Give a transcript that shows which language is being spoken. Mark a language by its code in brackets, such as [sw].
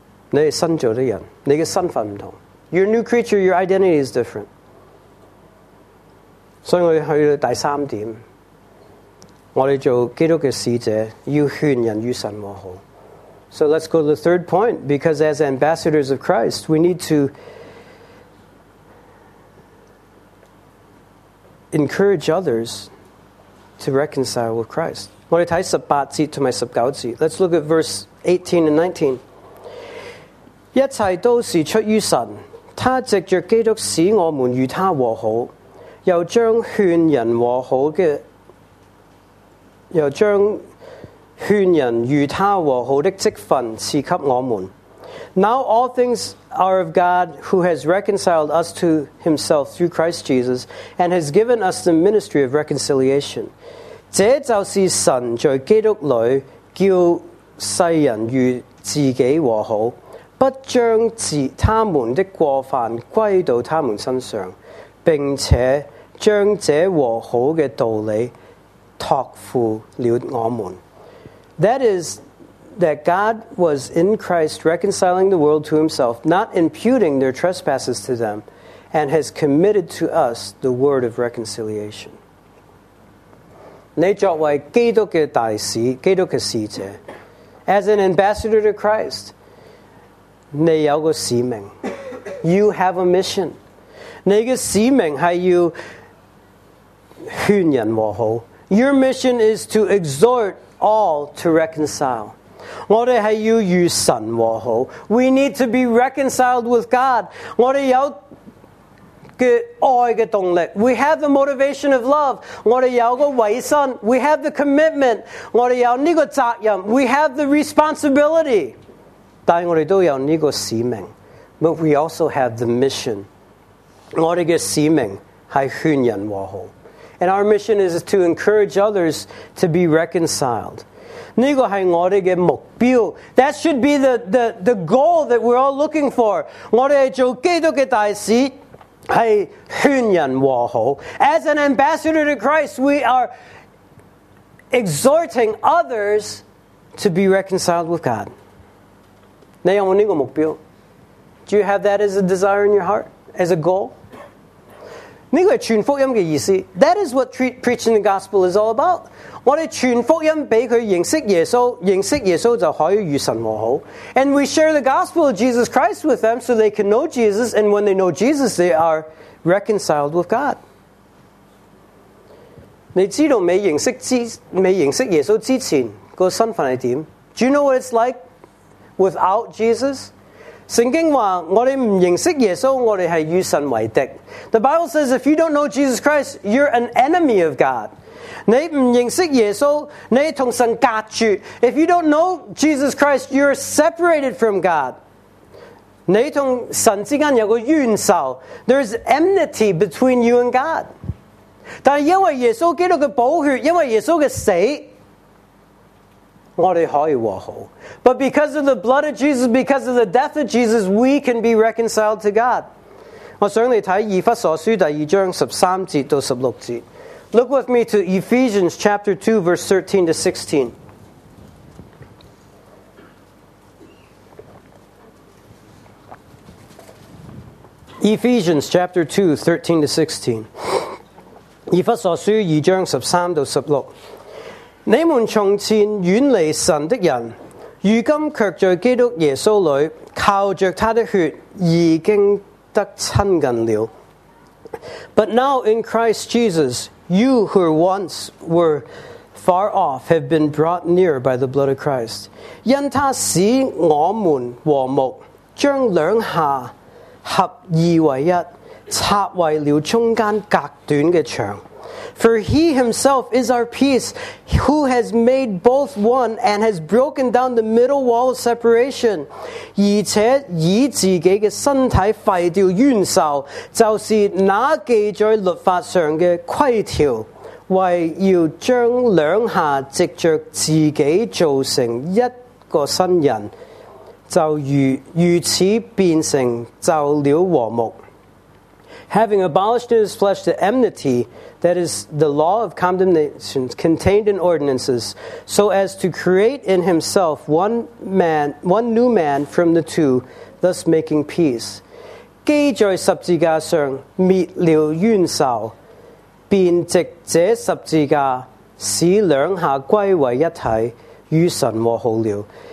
[zh] 你是新造的人，你的身份不同。 [en] You're a new creature, your identity is different。 [zh] 所以我们去到第三点，我们做基督的使者，要劝人与神和好。 [en] So let's go to the third point, because as ambassadors of Christ, we need to encourage others to reconcile with Christ. [zh] 我们看18节和19节。 [en] Let's look at verse 18 and 19。 [zh] 一切都是出于神，他藉着基督使我们与他和好，又将劝人和好的，又将劝人与他和好的职分赐给我们。 [en] Now all things are of God, who has reconciled us to himself through Christ Jesus, and has given us the ministry of reconciliation. [zh] 这就是神在基督里叫世人与自己和好，不将他们的过犯归到他们身上，并且将这和好的道理托付了我们。 [en] That is that God was in Christ reconciling the world to himself, not imputing their trespasses to them, and has committed to us the word of reconciliation. [zh] 你作为基督的大使，基督的使者， [en] as an ambassador to Christ, [zh] 你有个使命， [en] you have a mission. [zh] 你的使命是要劝人和好。 [en] Your mission is to exhort all to reconcile. [zh] 我们是要与神和好。 [en] We need to be reconciled with God. [zh] 我们有个爱的动力。 [en] We have the motivation of love. [zh] 我们有个委身。 [en] We have the commitment. [zh] 我们有这个责任。 [en] We have the responsibility. [zh] 但我们都有这个使命， [en] but we also have the mission. [zh] 我们的使命是劝人和好， [en] and our mission is to encourage others to be reconciled. [zh] 这个是我们的目标， [en] that should be the goal that we're all looking for. [zh] 我们做基督的大使是劝人和好。 [en] As an ambassador to Christ, we are exhorting others to be reconciled with God. [zh] 你有没有这个目标？ [en] Do you have that as a desire in your heart? As a goal? [zh] 这个是传福音的意思。 [en] That is what preaching the gospel is all about. [zh] 我们传福音给他认识耶稣，认识耶稣就可以与神和好。 [en] And we share the gospel of Jesus Christ with them so they can know Jesus, and when they know Jesus, they are reconciled with God. [zh] 你知道没认识耶稣之前个身份是怎样？ [en] Do you know what it's like? Without Jesus? [zh] 圣经说我们不认识耶稣，我们是与神为敌。 [en] The Bible says if you don't know Jesus Christ, you're an enemy of God. [zh] 你不认识耶稣，你与神隔绝。 [en] If you don't know Jesus Christ, you're separated from God. [zh] 你与神之间有个怨仇， [en] there's enmity between you and God. [zh] 但因为耶稣基督的宝血，因为耶稣的死，我们可以和好。 [en] But because of the blood of Jesus, because of the death of Jesus, we can be reconciled to God. [zh] 我想你看以弗所书第二章13节到16节。 [en] Look with me to Ephesians chapter 2 verse 13 to 16. Ephesians chapter 2 13 to 16. [zh] 以弗所书二章13到16。你们从前远离神的人，如今却在基督耶稣里靠着他的血已经得亲近了。 [en] But now in Christ Jesus, you who once were far off have been brought near by the blood of Christ. [zh] 因他使我们和睦，将两下合二为一，拆毁了中间隔断的墙。 [en] For he himself is our peace, who has made both one and has broken down the middle wall of separation. [zh] 而且以自己的身体废掉冤仇，就是那记在律法上的规条，为要将两下藉着自己造成一个新人，就如此变成就了和睦。 [en] having abolished in his flesh the enmity, that is, the law of condemnation contained in ordinances, so as to create in himself one new man from the two, thus making peace. [zh] 基在十字架上灭了冤仇，便藉这十字架使两下归为一体，与神和好了。